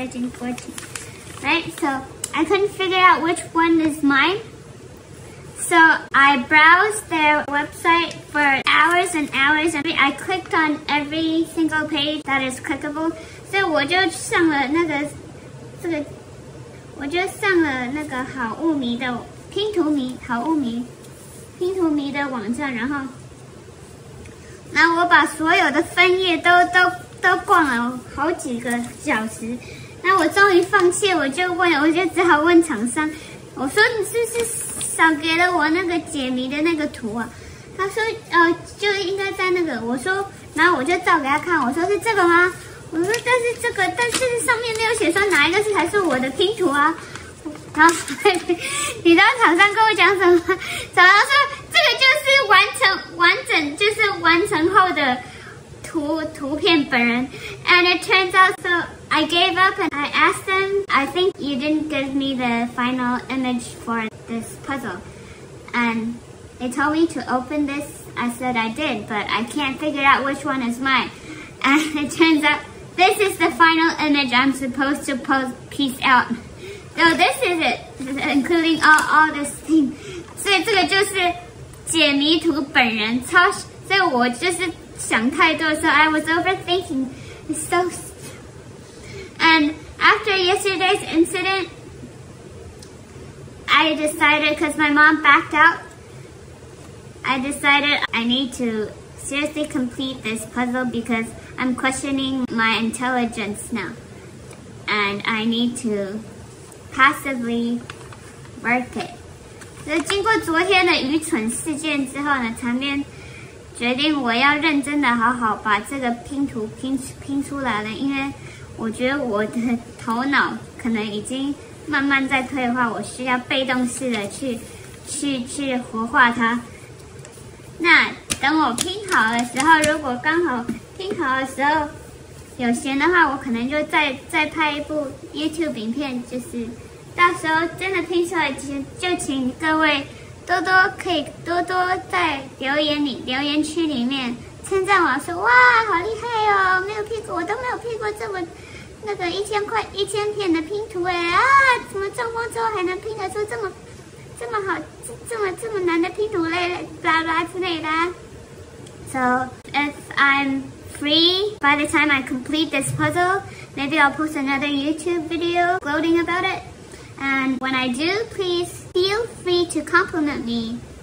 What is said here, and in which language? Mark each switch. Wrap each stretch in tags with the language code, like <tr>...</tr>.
<en>1 2 3 4 5 6 7 8 9 10 11 12 13 14 Right, so I couldn't figure out which one is mine. So I browsed their website for hours and hours, and I clicked on every single page that is clickable.</en> <zh>So 我就上了那个好物迷的拼图迷的网站，然后，那我把所有的分页都逛了好几个小时，那我终于放弃，我就只好问厂商，我说你是。少给了我那个解谜的那个图啊，他说就应该在那个，我说然后我就照给他看，我说是这个吗？我说但是这个，但是上面没有写说哪一个是才是我的拼图啊。然后你知道厂商跟我讲什么？厂商说这个就是完成后的图片本人。</zh> <en>And it turns out, so I gave up and I asked them, I think you didn't give me the final image for this puzzle. And they told me to open this. I said I did, but I can't figure out which one is mine. And it turns out this is the final image I'm supposed to piece out. So this is it, including all this thing.</en> <zh>所以这个就是解谜图本人超，所以我就是想太多 ，</zh> <en>so I was overthinking. So, and after yesterday's incident, I decided, because my mom backed out, I decided I need to seriously complete this puzzle because I'm questioning my intelligence now, and I need to. Passively work it.</en> <zh>所以经过昨天的愚蠢事件之后呢，长面决定我要认真的好好把这个拼图拼出来了，因为我觉得我的头脑可能已经慢慢在退化，我需要被动式的去活化它。那等我拼好的时候，如果刚好拼好的时候有闲的话，我可能就再拍一部 YouTube 影片，就是到时候真的拼出来，就请各位多多可以多多在留言区里面称赞我说，哇，好厉害哦！没有拼过，我都没有拼过这么那个一千片的拼图哎啊！怎么中风之后还能拼得出这么难的拼图嘞？巴拉之类的。</zh> <en>So if I'm free by the time I complete this puzzle, maybe I'll post another YouTube video gloating about it. And when I do, please feel free to compliment me.</en>